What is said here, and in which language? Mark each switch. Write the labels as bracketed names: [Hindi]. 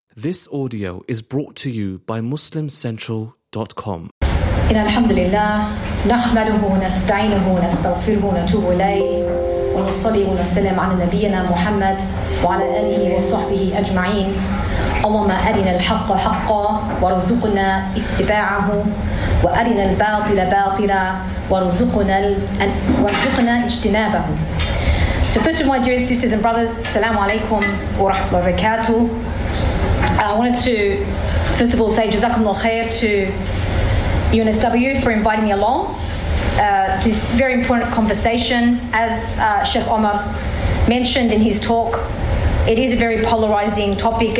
[English] This audio is brought to you by MuslimCentral.com. [Arabic] إن الحمد لله نحمده ونستعينه ونستغفره ونتوب إليه ونصلي ونسلم على نبينا محمد وعلى آله وصحبه أجمعين. اللهم أرنا الحق حقا وارزقنا اتباعه وأرنا الباطل باطلا وارزقنا اجتنابه. [English] So first of my dear sisters and brothers, [Arabic] السلام عليكم ورحمة الله وبركاته. [English] I wanted to, first of all, say Jazakumullah Khair to UNSW for inviting me along to this very important conversation. As Sheikh Omar mentioned in his talk, it is a very polarizing topic.